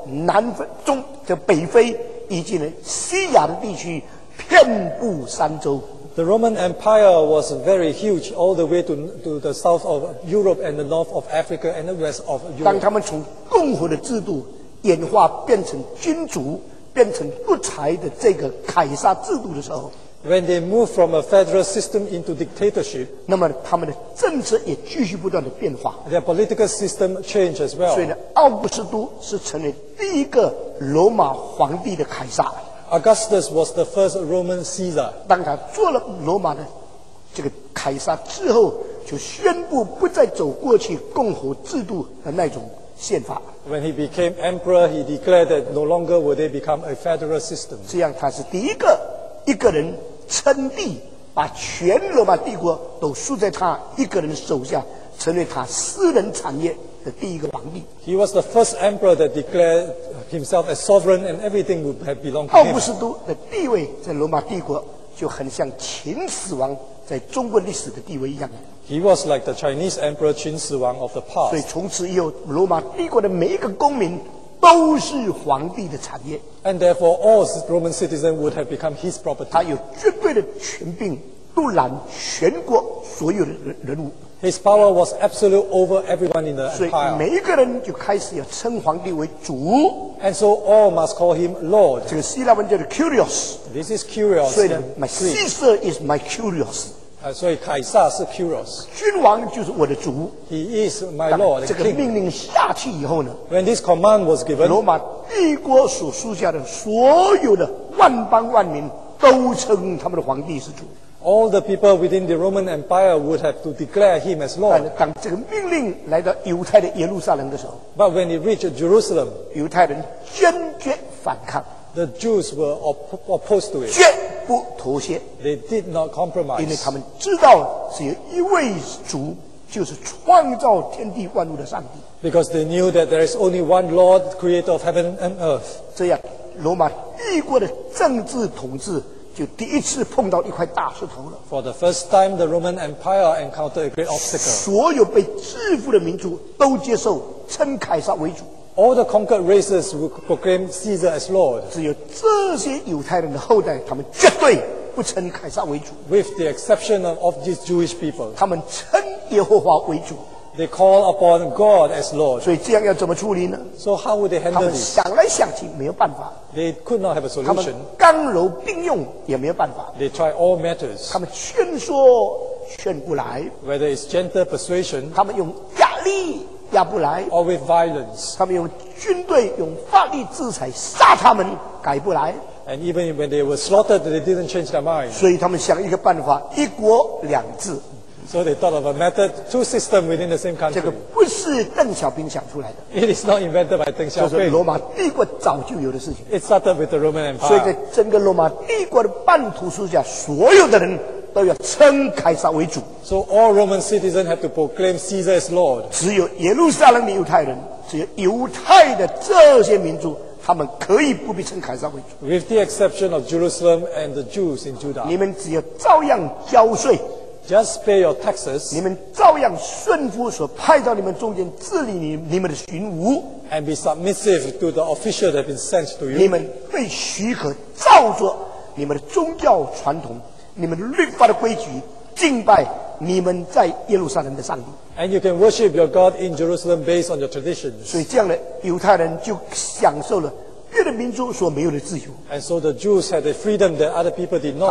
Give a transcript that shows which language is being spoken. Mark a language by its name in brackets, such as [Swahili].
[Chinese] 罗马帝国从罗马城发展到最后侵占到北欧，到了英伦，一直到了南非中的北非。以及呢，西亚的地区遍布三州。 [English] The Roman Empire was very huge, all the way to the south of Europe and the north of Africa and the west of Europe. [Chinese] 当他们从共和的制度演化变成君主、变成独裁的这个凯撒制度的时候， [English] when they move from a federal system into dictatorship, [Chinese] 那么他们的政策也继续不断的变化。 [English] Their political system changed as well. [Chinese] 所以呢，奥古斯都是成为第一个罗马皇帝的凯撒。 [English] Augustus was the first Roman Caesar. [Chinese] 当他做了罗马的这个凯撒之后，就宣布不再走过去共和制度的那种宪法。 [English] When he became emperor, he declared that no longer would they become a federal system. [Chinese] 这样，他是第一个一个人称帝，把全罗马帝国都输在他一个人手下，成为他私人产业的第一个皇帝。 [English] He was the first emperor that declared himself as sovereign, and everything would have belonged to [Chinese] him. 奥古斯都的地位在罗马帝国就很像秦始皇在中国历史的地位一样。 [English] He was like the Chinese emperor 秦始皇 of the past. [Chinese] 所以从此以后，罗马帝国的每一个公民都是皇帝的产业。 [English] And therefore, all Roman citizens would have become his property. [Chinese] 他有绝对的权柄，独揽全国所有的人物。 [English] His power was absolute over everyone in the empire. [Chinese] 所以每一个人就开始要称皇帝为主。 [English] And so all must call him Lord. [Chinese] 这个希腊文叫做 Curios. [English] This is Curios. 所以 my Caesar is my Curios. [Chinese] 所以凯撒是 Curios. 君王就是我的主。 [English] He is my Lord. [Chinese] 这个命令下去以后呢 [English] ？When this command was given, [Chinese] 罗马帝国所属下的所有的万邦万民都称他们的皇帝是主。 [English] All the people within the Roman Empire would have to declare him as Lord. [Chinese] 当这个命令来到犹太的耶路撒冷的时候 [English] ，But when it reached Jerusalem, [Chinese] 犹太人坚决反抗。 [English] The Jews were opposed to it. [Chinese] 绝不妥协。 [English] They did not compromise. [Chinese] 因为他们知道只有一位主，就是创造天地万物的上帝。 [English] Because they knew that there is only one Lord, Creator of heaven and earth. [Chinese] 这样，罗马帝国的政治统治。就第一次碰到一块大石头了。 [English] For the first time, the Roman Empire encountered a great obstacle. [Chinese] 所有被制服的民族都接受称凯撒为主。 [English] All the conquered races would proclaim Caesar as Lord. [Chinese] 只有这些犹太人的后代，他们绝对不称凯撒为主。 [English] With the exception of these Jewish people, [Chinese] 他们称耶和华为主。 [English] They call upon God as Lord. [Chinese] 所以这样要怎么处理呢 [English] ？So how would they handle this? [Chinese] 他们想来想去没有办法。 [English] They could not have a solution. [Chinese] 他们刚柔并用也没有办法。 [English] They try all methods. [Chinese] 他们劝说劝不来。 [English] Whether it's gentle persuasion. [Chinese] 他们用压力压不来。 [English] Or with violence. [Chinese] 他们用军队用法律制裁杀他们改不来。 [English] And even when they were slaughtered, they didn't change their mind. [Chinese] 所以他们想一个办法，一国两制。 [English] So they thought of a method, two systems within the same country. [Chinese] 这个不是邓小平想出来的。 [English] It is not invented by Deng Xiaoping. [Chinese] 就是罗马帝国早就有的事情。 [English] It started with the Roman Empire. [Chinese] 所以在整个罗马帝国的半途书下，所有的人都要称凯撒为主。 [English] So all Roman citizens have to proclaim Caesar as Lord. [Chinese] 只有耶路撒冷的犹太人，只有犹太的这些民族，他们可以不必称凯撒为主。 [English] With the exception of Jerusalem and the Jews in Judah. [Chinese] 你们只要照样交税。 [English] Just pay your taxes. [Chinese] 你们照样顺服所派到你们中间治理你们的巡抚。 [English] And be submissive to the official that have been sent to you. [Chinese] 你们被许可照着你们的宗教传统、你们律法的规矩敬拜你们在耶路撒冷的上帝。 [English] And you can worship your God in Jerusalem based on your traditions. [Chinese] 所以这样的犹太人就享受了别的民族所没有的自由。 [English] And so the Jews had the freedom that other people did not.